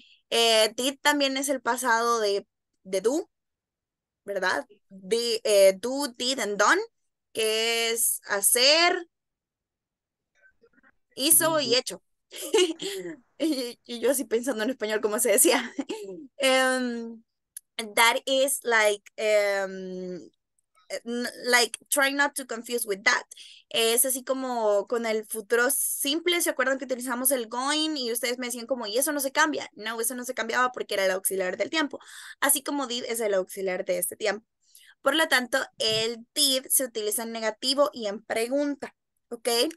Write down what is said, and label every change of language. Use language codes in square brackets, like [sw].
[es] Did también es el pasado de do, ¿verdad? Do, did, and done, que es hacer. Hizo y hecho. Y yo así pensando en español, como se decía. [en] That is like try not to confuse with that. [es] Es así como con el futuro simple. ¿Se acuerdan que utilizamos el going y ustedes me decían como, y eso no se cambia? No, eso no se cambiaba porque era el auxiliar del tiempo. Así como did es el auxiliar de este tiempo. Por lo tanto, el did se utiliza en negativo y en pregunta. ¿Ok?